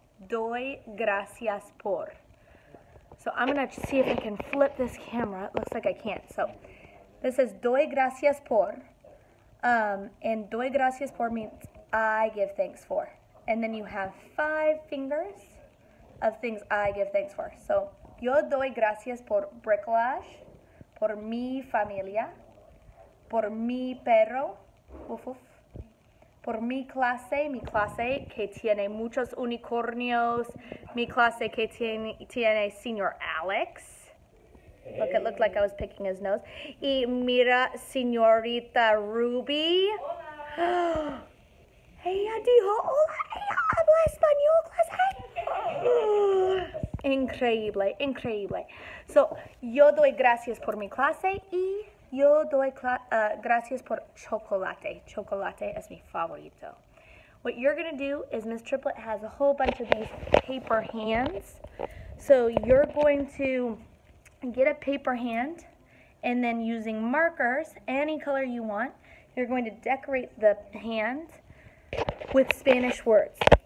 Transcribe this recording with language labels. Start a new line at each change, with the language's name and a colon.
Spanish: Doy gracias por.
English: So I'm going to see if I can flip this camera. It looks like I can't. So this is
Spanish: doy gracias por.
English: And doy gracias por means I give thanks for. And then you have five fingers of things I give thanks for.
Spanish: So yo doy gracias por bricolage, por mi familia, por mi perro, uf, uf, por mi clase que tiene muchos unicornios, mi clase que tiene señor Alex.
English: Hey. Look, it looked like I was picking his nose.
Spanish: Y mira,
English: señorita Ruby.
Spanish: Hola. Ella dijo, hola, ella habla español, clase. Increíble, increíble. So, yo doy gracias por mi clase y yo doy gracias por chocolate. Chocolate es mi favorito.
English: What you're going to do is Miss Triplett has a whole bunch of these paper hands. So you're going to get a paper hand and then using markers, any color you want, you're going to decorate the hand with Spanish words.